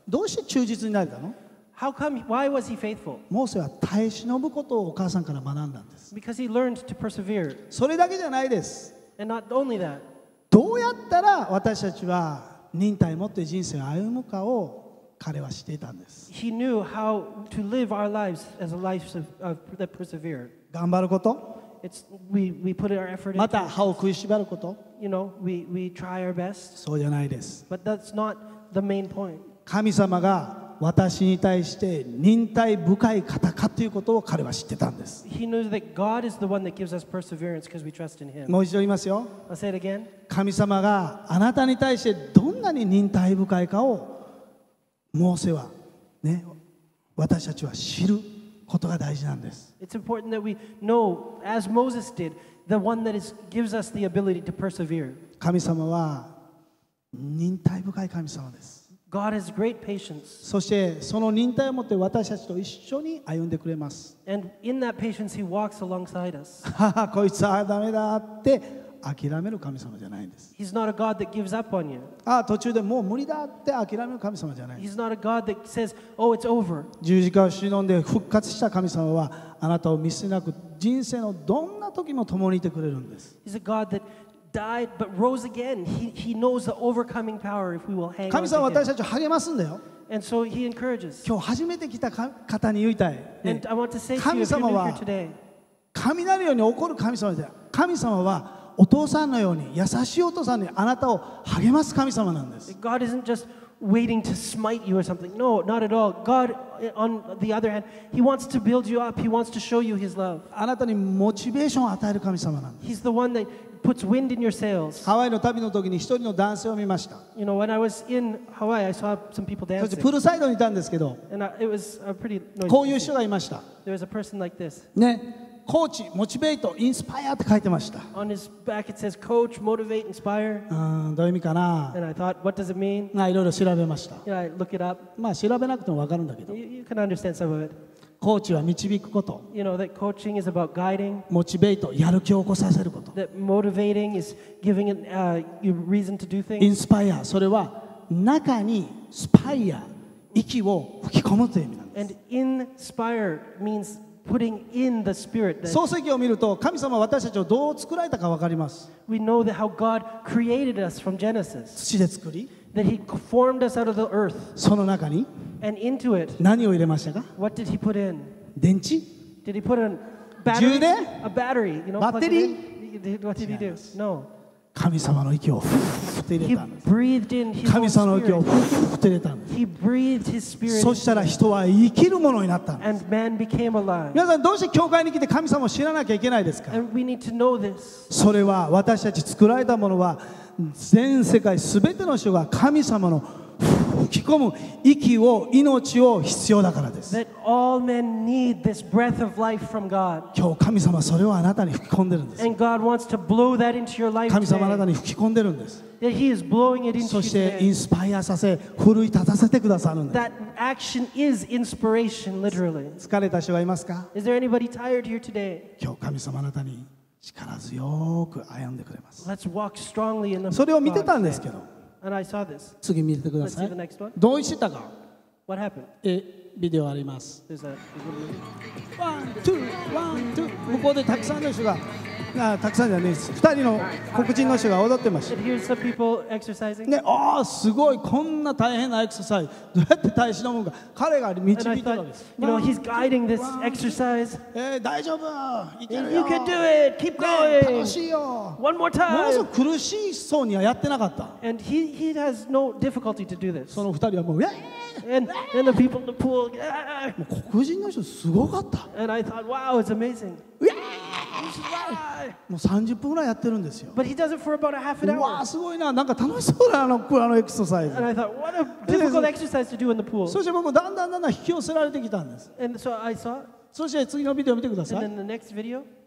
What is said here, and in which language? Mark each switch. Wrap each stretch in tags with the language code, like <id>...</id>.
<ja>どうして忠実になれたの?</ja> <en>How come? Why was he faithful?</en> <ja>モーセは耐え忍ぶことをお母さんから学んだんです。</ja> <en>Because he learned to persevere.</en> <ja>それだけじゃないです。</ja> <en>And not only that.</en> <ja>どうやったら私たちは忍耐を持って人生を歩むかを彼は知っていたんです。</ja> <en>He knew how to live our lives as a life of that persevere.</en> <ja>頑張ること。</ja> <en>It's we put our effort.</en> <ja>また歯を食いしばること。</ja> <en>You know, we try our best.</en> <ja>そうじゃないです。</ja> <en>But that's not the main point.</en> <ja>神様が私に対して忍耐深い方かということを彼は知ってたんです。</ja> <en>He knew that God is the one that gives us perseverance because we trust in Him.</en> <ja>もう一度言いますよ。</ja> <en>I'll say it again.</en> <ja>神様があなたに対してどんなに忍耐深いかをモーセはね、私たちは知ることが大事なんです。</ja> <en>It's important that we know, as Moses did, the one that gives us the ability to persevere.</en> <ja>神様は忍耐深い神様です。</ja> <en>God has great patience.</en> <ja>そしてその忍耐を持って私たちと一緒に歩んでくれます。</ja> <en>And in that patience, He walks alongside us.</en> <ja>こいつはダメだって諦める神様じゃないんです。</ja> <en>He's not a God that gives up on you.</en> <ja>ああ、途中でもう無理だって諦める神様じゃない。</ja> <en>He's not a God that says, "Oh, it's over."</en> <ja>十字架を忍んで復活した神様はあなたを見捨てなく人生のどんな時も共にいてくれるんです。</ja> <en>He's a God that died but rose again. He knows the overcoming power if we will hang on to him.</en> <ja>神様は私たちを励ますんだよ。</ja> <en>And so He encourages.</en> <ja>今日初めて来た方に言いたい。</ja> <en>ね、And I want to say to you, if you're new here today,</en> <ja>神様は雷ように怒る神様じゃ。神様はお父さんのように優しいお父さんにあなたを励ます神様なんです。</ja> <en>God isn't just waiting to smite you or something. No, not at all. God, on the other hand, He wants to build you up. He wants to show you His love.</en> <ja>あなたにモチベーションを与える神様なんです。</ja> <en>He's the one that puts wind in your sails.</en> <ja>ハワイの旅の時に一人の男性を見ました。</ja> <en>You know, when I was in Hawaii, I saw some people dancing.</en> <ja>そしてプールサイドにいたんですけど、</ja> <en>And it was a pretty noisy</en> <ja>こういう人がいました。</ja> <en>There was a person like this.</en> <ja>ね。コーチ、モチベート、インスパイアって書いてました。</ja> <en>On his back it says coach, motivate, inspire.</en> <ja>どういう意味かな。</ja> <en>And I thought, what does it mean?</en> <ja>まあ、いろいろ調べました。</ja> <en>You know, I look it up.</en> <ja>まあ、調べなくても分かるんだけど。</ja> <en>You can understand some of it.</en> <ja>コーチは導くこと。</ja> <en>You know, that coaching is about guiding.</en> <ja>モチベート、やる気を起こさせること。</ja> <en>That motivating is giving it, reason to do things.</en> <ja>インスパイア、それは中にスパイア、息を吹き込むという意味なんです。</ja> <en>And inspire means putting in the spirit.</en> <ja>創世記を見ると、神様は私たちをどう作られたか分かります。</ja> <en>We know that how God created us from Genesis.</en> <ja>土で作り。</ja> <en>That he formed us out of the earth.</en> <ja>その中に。</ja> <en>And into it.</en> <ja>何を入れましたか。</ja> <en>What did he put in?</en> <ja>電池。</ja> <en>Did he put in battery?</en> <ja>充電。</ja> <en>A battery, you know.</en> <ja>バッテリ</ja> <en>ー。 What did he do? No.</en> <ja>神様の息をふーって入れたんです。神様の息をふーって入れたんです。そしたら人は生きるものになったんです。皆さんどうして教会に来て神様を知らなきゃいけないですか？それは私たち作られたものは全世界全ての人が神様の吹き込む息を命を必要だからです。</ja> <en>That all men need this breath of life from God.</en> <ja>今日神様それをあなたに吹き込んでるんです。</ja> <en>And God wants to blow that into your life.</en> <ja>神様あなたに吹き込んでるんです。</ja> <en>That He is blowing it into you.</en> <ja>そしてインスパイアさせ、奮い立たせてくださるんです。</ja> <en>That action is inspiration, literally.</en> <ja>疲れた人はいますか？</ja> <en>Is there anybody tired here today?</en> <ja>今日神様あなたに力強く歩んでくれます。</ja> <en>Let's walk strongly in the.</en> <ja>それを見てたんですけど。</ja> <en>And I saw this.</en> <ja>次見ててください。</ja> <en>Let's see the next one.</en> <ja>どうしてたか。</ja> <en>What happened?</en> <ja>ビデオあります。</ja> <en>1, 2, 1, 2.</en> <ja>向こうでたくさんの人が、あ、たくさんじゃないです。2人の黒人の人が踊ってました。</ja> <en>Did you hear some people exercising?</en> <ja>ね、おー、すごい、こんな大変なエクササイズ。どうやって耐え忍ぶか。彼が導いてるんです。</ja> <en>And I thought, you know, he's guiding this exercise.</en> <ja>大丈夫。いけるよ。</ja> <en>You can do it. Keep going.</en> <ja>楽しいよ。</ja> <en>One more time.</en> <ja>ものすごく苦しそうにはやってなかった。</ja> <en>And he has no difficulty to do this.</en> <ja>その2人はもう、</ja> <en>And the people in the pool. Yeah.</en> <ja>もう黒人の人すごかった。</ja> <en>And I thought, wow, it's amazing. Yeah.</en> <ja>もう30分ぐらいやってるんですよ。</ja> <en>But he does it for about a half an hour.</en> <ja>わあすごいな。なんか楽しそうだあのあのエクササイズ。</ja> <en>And I thought, what a difficult exercise to do in the pool.</en> <ja>そして僕だんだんだんだん引き寄せられてきたんです。</ja> <en>And so I saw.</en> <ja>そして次のビデオ見てください。</ja> <en>And then the next video.</en>